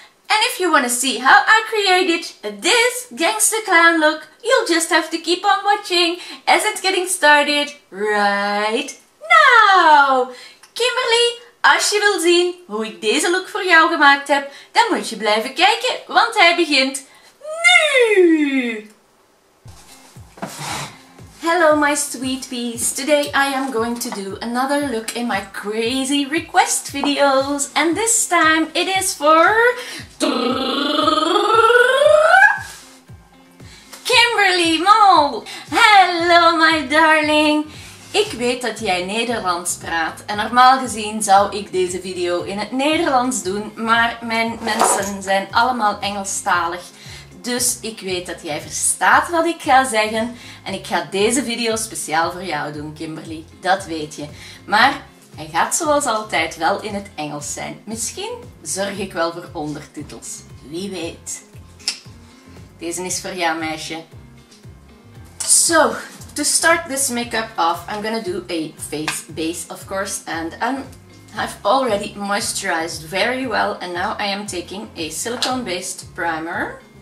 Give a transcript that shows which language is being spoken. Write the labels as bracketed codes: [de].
[en] And if you want to see how I created this gangster clown look, you'll just have to keep on watching as it's getting started right now. [nl] Kimberly, als je wil zien hoe ik deze look voor jou gemaakt heb, dan moet je blijven kijken, want hij begint nu. [en] Hello my sweet peas, today I am going to do another look in my crazy request videos, and this time it is for Kimberly Mole. Hello my darling, [nl] ik weet dat jij Nederlands praat en normaal gezien zou ik deze video in het Nederlands doen, maar mijn mensen zijn allemaal Engelstalig. Dus ik weet dat jij verstaat wat ik ga zeggen en ik ga deze video speciaal voor jou doen, Kimberly. Dat weet je. Maar hij gaat zoals altijd wel in het Engels zijn. Misschien zorg ik wel voor ondertitels. Wie weet. Deze is voor jou, meisje. [en] So, to start this makeup off, I'm gonna do a face base, of course, and I've already moisturized very well and now I am taking a silicone-based primer.